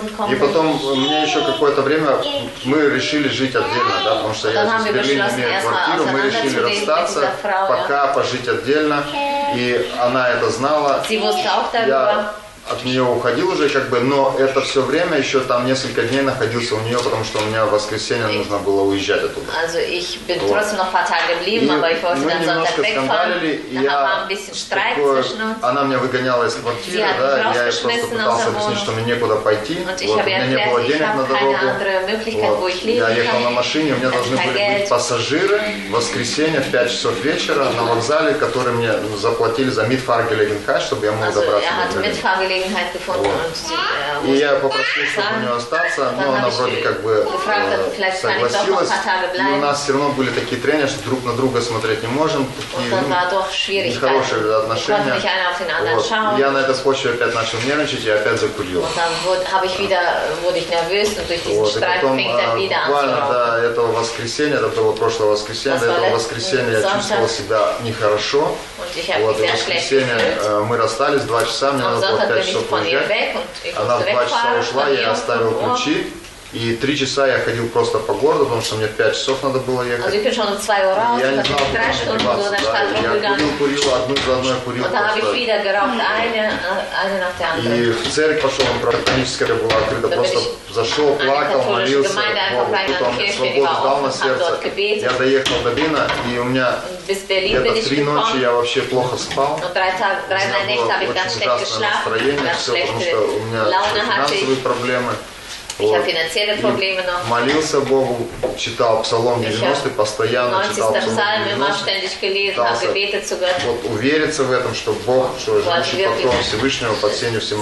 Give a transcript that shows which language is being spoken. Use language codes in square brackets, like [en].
[ru] И потом мне еще какое-то время мы решили жить отдельно, да, потому что я здесь в Берлине имею квартиру, мы решили расстаться, пока пожить отдельно, и она это знала. Я от нее уходил уже, как бы, но это все время еще там несколько дней находился у нее, потому что у меня в воскресенье нужно было уезжать оттуда. [de] Also, ich bin вот. Trotzdem noch ein paar Tage geblieben, aber ich wollte dann Sonntag wegfahren. [ru] Она меня выгоняла из квартиры, да, я ей просто пытался объяснить, что мне некуда пойти, вот. У меня не было денег на дорогу. Вот. Я ехал на машине, у меня должны были быть пассажиры в воскресенье в 5 часов вечера на вокзале, которые мне заплатили за Mitfahrgelegenheit, чтобы я мог добраться до Берлина. Вот. И я попросил, чтобы у нее остаться, но она вроде как бы согласилась. И у нас все равно были такие трения, что друг на друга смотреть не можем. Такие, нехорошие отношения. Вот. Я на этой почве опять начал нервничать и опять закурил. Вот. И потом буквально до этого воскресенья, это было прошлое воскресенье, до этого воскресенья я чувствовал себя нехорошо. Вот. И в воскресенье мы расстались, 2 часа, мне надо было 5 часов уезжать, она в 2 часа ушла, я оставил ключи, И три часа я ходил просто по городу, потому что мне 5 часов надо было ехать. [de] Also, ich bin schon zwei Uhr raus, [ru] я не знал, куда мне деваться. Да. Я курил, одну за одной курил. [de] Und dann habe ich wieder geraucht, eine nach der anderen. [ru] И в церковь пошел, он практически был открыт. Просто зашел, плакал, молился. Тут он мне свободу дал на сердце. Я доехал до Вина, и у меня где-то три ночи я вообще плохо спал. [de] Und drei Nächte habe ich ganz schlecht geschlafen. [ru] У меня финансовые проблемы. Вот. Молился Богу, читал Псалом 90, постоянно читал Псалом 90, вот, увериться в этом, что Бог, что живущий под кровом Всевышнего, под сенью